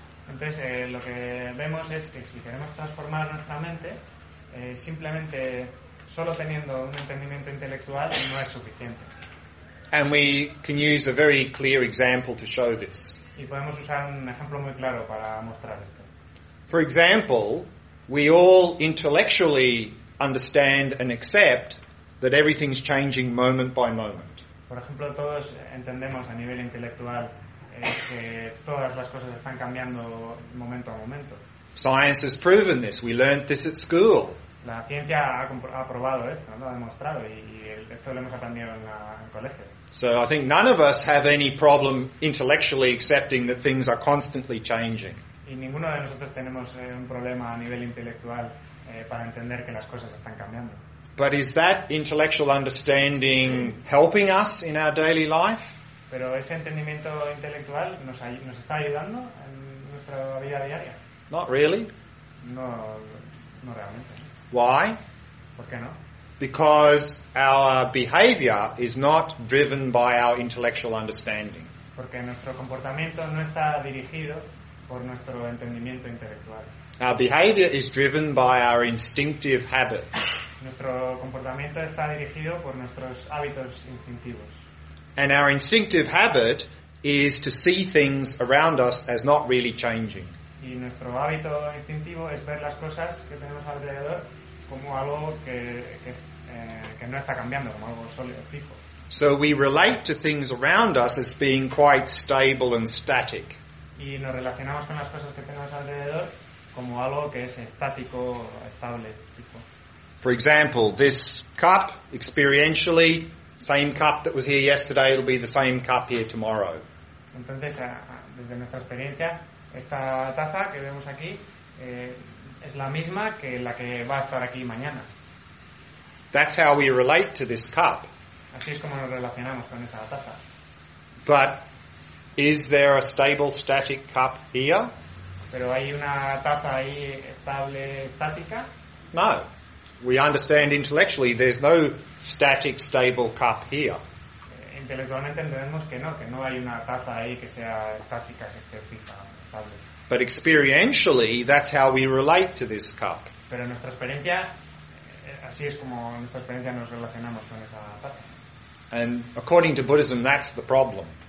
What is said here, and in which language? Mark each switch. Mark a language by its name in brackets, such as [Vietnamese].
[Spanish] Entonces, lo que vemos es que si queremos transformar nuestra mente, simplemente solo teniendo un entendimiento intelectual no es suficiente. [English] And we can use a very clear example to show this. [Spanish] Y podemos usar un ejemplo muy claro para mostrar esto. [English] For example, we all intellectually understand and accept that everything's changing moment by moment. [Spanish] Por ejemplo, todos entendemos a nivel intelectual que todas las cosas están cambiando momento a momento. [English] Science has proven this. We learned this at school. [Spanish] La ciencia ha probado esto, lo ha demostrado y esto lo hemos aprendido en colegio. [English] So I think none of us have any problem intellectually accepting that things are constantly changing. [Spanish] Y ninguno de nosotros tenemos un problema a nivel intelectual para entender que las cosas están cambiando. [English] But is that intellectual understanding helping us in our daily life? [Spanish] Pero ese entendimiento intelectual nos está ayudando en nuestra vida diaria. [English] Not really. [Spanish] No realmente. [English] Why? [Spanish] ¿Por qué no? [English] Because our behavior is not driven by our intellectual understanding. [Spanish] Porque nuestro comportamiento no está dirigido por nuestro entendimiento intelectual. [English] Our behavior is driven by our instinctive habits. [Spanish] Nuestro comportamiento está dirigido por nuestros hábitos instintivos. [English] And our instinctive habit is to see things around us as not really changing. [Spanish] Y nuestro hábito instintivo es ver las cosas que tenemos alrededor como algo que no está cambiando, como algo sólido, fijo. [English] So we relate to things around us as being quite stable and static. [Spanish] Y nos relacionamos con las cosas que tenemos alrededor como algo que es estático, estable, fijo. [English] For example, this cup, experientially, same cup that was here yesterday, it'll be the same cup here tomorrow. [Spanish] Entonces, desde nuestra experiencia, esta taza que vemos aquí es la misma que la que va a estar aquí mañana. [English] That's how we relate to this cup. [Spanish] Así es como nos relacionamos con esta taza. [English] But is there a stable, static cup here? [Spanish] ¿Pero hay una taza ahí estable, estática? [English] No. We understand intellectually there's no static, stable cup here. [Spanish] Intelectualmente entendemos que no hay una taza ahí que sea estática, que esté fija, estable. [English] But experientially, that's how we relate to this cup. [Spanish] Pero nuestra experiencia, así es como nuestra experiencia nos relacionamos con esa taza. [English] And according to Buddhism, that's the problem.